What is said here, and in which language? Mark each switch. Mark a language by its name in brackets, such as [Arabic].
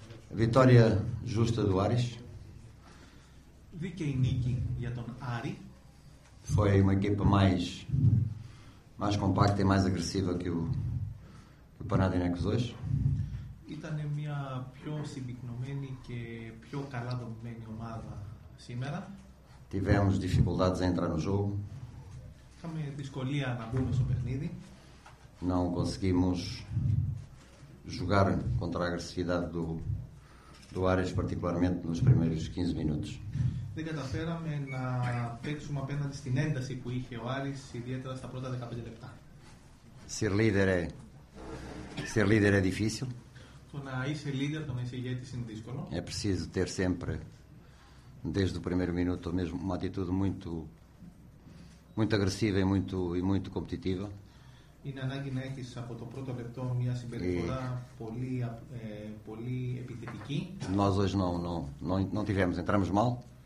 [Portuguese] Βικτόρια Ζούστα του Άρης. [Greek] Δίκαιη νίκη για τον Άρη. [Portuguese] Foi uma equipa mais compacta e mais agressiva que o Panathinaikos hoje. [Greek] Ήταν μια πιο συμπυκνωμένη και πιο καλά δομημένη ομάδα σήμερα. [Portuguese] Tivemos dificuldades a entrar no jogo. [Greek] Είχαμε δυσκολία να μπούμε στο παιχνίδι. [Portuguese] Não conseguimos jogar contra a agressividade do Ares, particularmente nos primeiros 15 minutos. [Greek] Δεν καταφέραμε να παίξουμε απέναντι στην ένταση που είχε ο Άρης, ιδιαίτερα στα πρώτα 15 λεπτά. [Portuguese] Ser líder é difícil. [Greek] Το να είσαι líder, το να είσαι ηγέτης είναι δύσκολο. [Portuguese] É preciso ter sempre, desde o primeiro minuto mesmo, uma atitude muito, muito agressiva e muito competitiva. [Greek] Είναι ανάγκη να έχεις από το πρώτο λεπτό μια συμπεριφορά πολύ επιθετική. [Portuguese] Nós hoje não tivemos, entramos mal.